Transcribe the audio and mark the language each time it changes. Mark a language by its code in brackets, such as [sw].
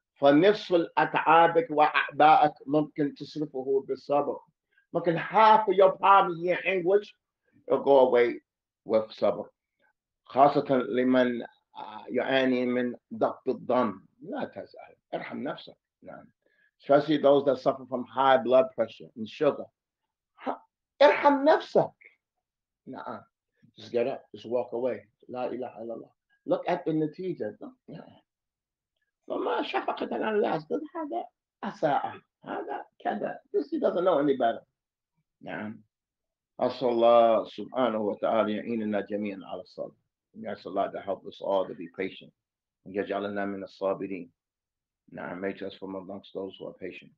[ar] فنص الأتعابك وأعباءك ممكن تصرفه بالصبر. ممكن [en] half of your problems in your anguish will go away with صبر. [ar] خاصة لمن يعاني من ضغط الدم. لا تزعل. ارحم نفسك. نعم. [en] Especially those that suffer from high blood pressure and sugar. [ar] إرحم نفسك. [en] Nah, just get up. Just walk away. [ar] لا إله إلا الله. [en] Look at the natija. [ar] فما شفقة على الناس. هذا أساء. هذا كذا. [en] This he doesn't know any better. [ar] نعم. أسأل الله سبحانه وتعالى يعيننا جميعا على الصبر. أسأل الله [en] to help us all to be patient. [ar] يجعلنا من الصابرين. [en] Now, make us from amongst those who are patient.